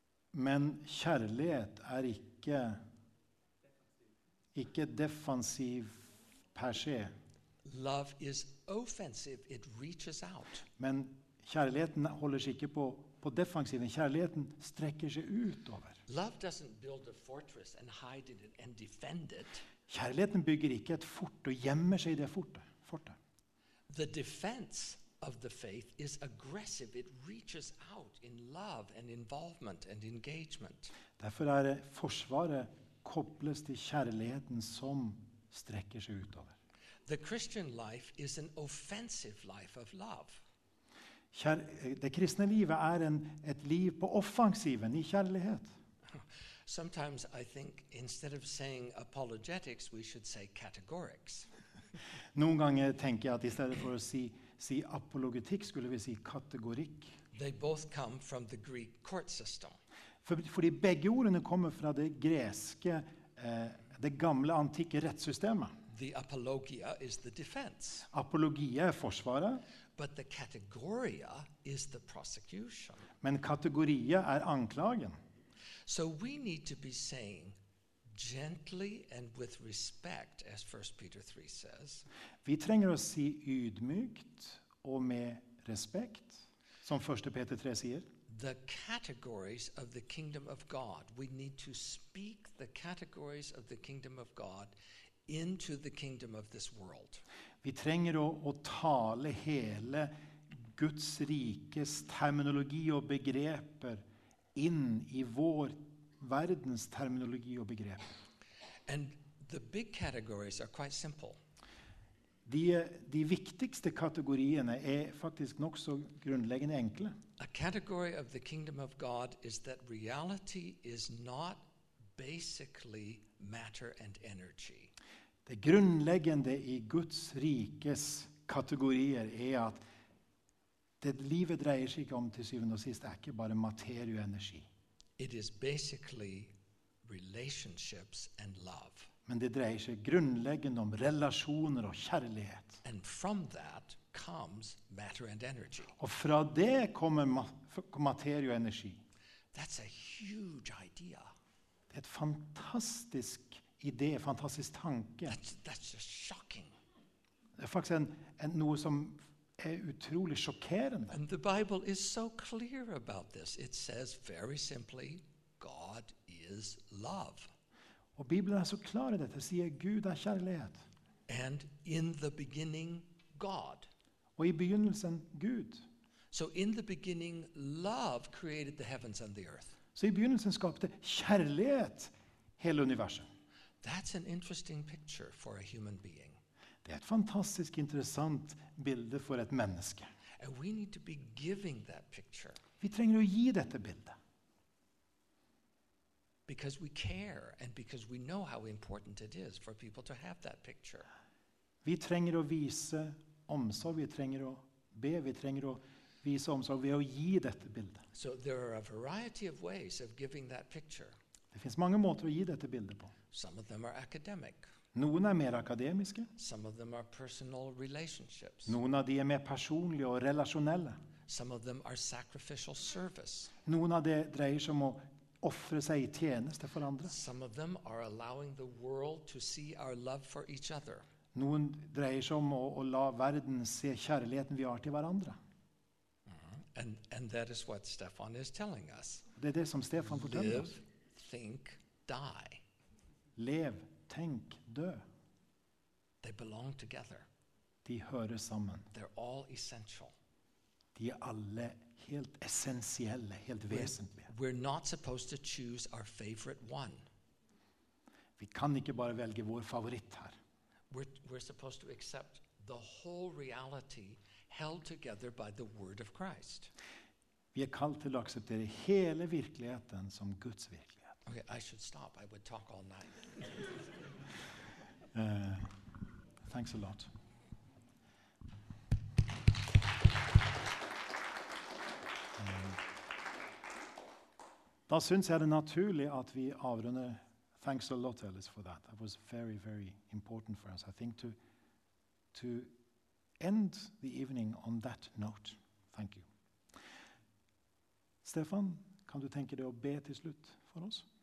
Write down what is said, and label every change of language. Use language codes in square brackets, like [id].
[sv] Men kärlek är icke defensiv per se. [en] Love is offensive. It reaches out. [sv] Men kärleken håller sig icke på defensiven. Kärleken sträcker sig ut över. [en] Love doesn't build a fortress and hide in it and defend it. [sv] Kärleken bygger icke ett fort och gömmer sig i det fortet. [en] The defense of the faith is aggressive. It reaches out in love and involvement and engagement. [sv] Därför är försvaret kopplas till kärleken som sträcker sig ut över. [en] The Christian life is an offensive life of love. [sv] Det kristna livet är ett liv på offensiven i kärlighet. [en] Sometimes I think instead of saying apologetics we should say categorics. [sv] Någon gång tänker jag att istället för att säga apologetik skulle vi säga kategorik. [en] They both come from the Greek court system. [sv] För de bägge orden kommer från det grekiska, det gamla antika rättssystemet. [en] The apologia is the defense. [sv] Apologia är försvaret. [en] But the categoria is the prosecution. [sv] Men kategoria är anklagen. [en] So we need to be saying gently and with respect, as 1 Peter 3 says. [sv] Vi tränger oss se ydmykt och med respekt, som 1 Peter 3 säger. [en] The categories of the kingdom of God. We need to speak the categories of the kingdom of God into the kingdom of this world. [sv] Vi tränger och tala hela Guds rikes terminologi och begreper in i vår världens terminologi och begrepp. [en] And the big categories are quite simple. [sv] De viktigaste kategorierna är faktiskt nog så grundläggande enkla. [en] A category of the kingdom of God is that reality is not basically matter and energy. [sv] Det grundläggande i Guds rikes kategorier är att det livet drejer sig om till syvende och sist är inte bara materie och energi. [en] It is basically relationships and love. [sv] Men det drejer sig grundläggande om relationer och kärlek. [en] And from that comes matter and energy. [sv] Och från det kommer materie och energi. [en] That's a huge idea. [sv] Det är ett fantastiskt idé, fantastisk tanke. [en] That's just shocking. [sv] Det är faktiskt en något som är otroligt chockerande. [en] And the Bible is so clear about this. It says very simply, God is love. [sv] Och Bibeln är så klar i detta. Det säger Gud är kärlek. [en] And in the beginning, God. [sv] Och i begynnelsen, Gud. [en] So in the beginning, love created the heavens and the earth. [sv] Så i begynnelsen skapade kärlek hela universum. [en] That's an interesting picture for a human being. [sv] Det är ett fantastiskt intressant bild för ett människa. [en] And we need to be giving that picture. [sv] Vi tränger att ge detta bild. [en] Because we care and because we know how important it is for people to have that picture. [sv] Vi tränger att visa omsorg, vi tränger att be, vi tränger att visa omsorg, vi att ge detta bild. [en] So there are a variety of ways of giving that picture. [sv] Det finns många måter att ge detta bild på. [en] Some of them are academic. [sv] Någon är mer akademiska. [en] Some of them are personal relationships. [sv] Någon av dem är mer personliga och relationella. [en] Some of them are sacrificial service. [sv] Någon av dem drejer sig om att offra sig i tjänste för andra. [en] Some of them are allowing the world to see our love for each other. [sv] Någon drejer sig om att låta världen se kärleken vi har till varandra. [en] And that is what Stefan is telling us. [sv] Det är det som Stefan fortäller [en] live, [sv] oss. [en] Live, think, die. [sv] Lev, tänk, dö. [en] They belong together. [sv] De hör samman. [en] They're all essential. [sv] De är alla helt essentiella, helt väsentliga. [en] We're not supposed to choose our favorite one. [sv] Vi kan inte bara välja vår favorit här. [en] We're supposed to accept the whole reality held together by the word of Christ. [sv] Vi är kallade till att acceptera hela verkligheten som Guds verklighet. [en] Okay, I should stop. I would talk all night. Thanks a lot. [sv] Då syns jag det naturligt att vi avrundar. [en] Thanks a lot, Ellis, for that. That was very, very important for us, I think, to end the evening on that note. Thank you. [no] Stefan, kan du tenke deg å be til slutt for oss?